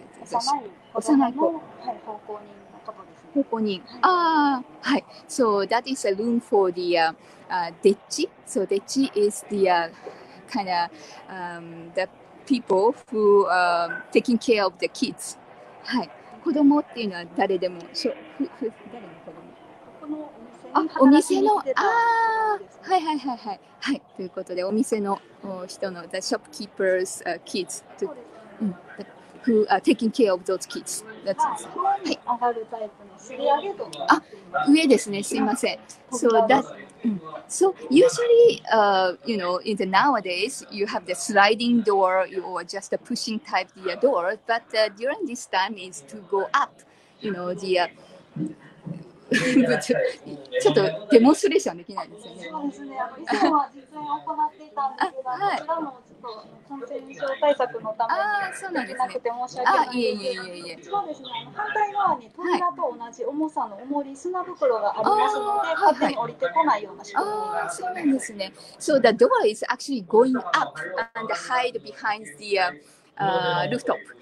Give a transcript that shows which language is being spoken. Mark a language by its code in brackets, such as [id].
[ja] 幼い子、はい、奉公人のことですね。奉公人。はい、ああ、はい。 [en] So that is a room for the ditch. So ditch is the kind of the people who taking care of the kids. [ja] はい。子供っていうのは誰でも、誰の子供？ここのお店の、ああ、はいはいはいはい、はい、ということでお店の人の [en] the shopkeepers kids [ja] と、 [en] who are taking care of those kids. That's it. はい。 [ja] 上がるタイプの吊り上げとか。あ、上ですね。すいません。 [en] So that, so usually, you know, in the nowadays, you have the sliding door or just the pushing type the door. But during this time, is to go up. You know, the [ja] ちょっとデモンストレーションできないですよね。そうですね。いつもは実演を行っていたんですけど、はい、こちらもちょっと。感染症対策のためにできなくて申し訳ないんですけど、そうですね、反対側に扉と同じ重さの重り、はい、砂袋がありますので、勝手に降りてこないような仕組みになります。そうなんですね。 [en] So the door is actually going up and hide behind the rooftop.